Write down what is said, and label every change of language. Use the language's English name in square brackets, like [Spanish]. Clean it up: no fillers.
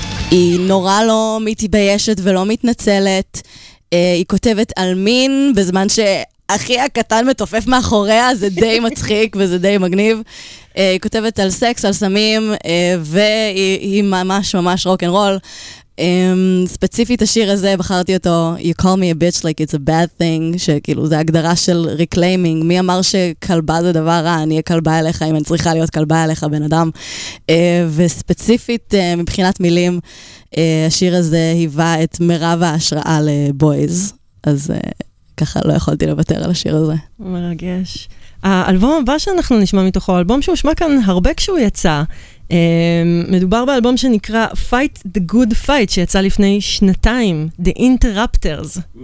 [Hebrew] היא נורא לא מתביישת ולא מתנצלת. היא כותבת על מין בזמן שאחי הקטן מתופף מאחוריה, זה די מצחיק וזה די מגניב. היא כותבת על סקס, על סמים, והיא ממש ממש רוק אנד רול. ספציפית השיר הזה בחרתי אותו, [English] You call me a bitch like it's a bad thing, [Hebrew] שכאילו זה הגדרה של reclaiming. מי אמר שכלבה זה דבר רע? אני אהיה כלבה אליך אם אני צריכה להיות כלבה אליך, בן אדם. וספציפית מבחינת מילים, השיר הזה היווה את מרב ההשראה לבויז, אז ככה לא יכולתי לוותר על השיר הזה. מרגש. האלבום הבא שאנחנו נשמע מתוכו, אלבום שהושמע כאן הרבה כשהוא יצא, מדובר באלבום שנקרא Fight the Good Fight, שיצא לפני שנתיים, The Interrupters.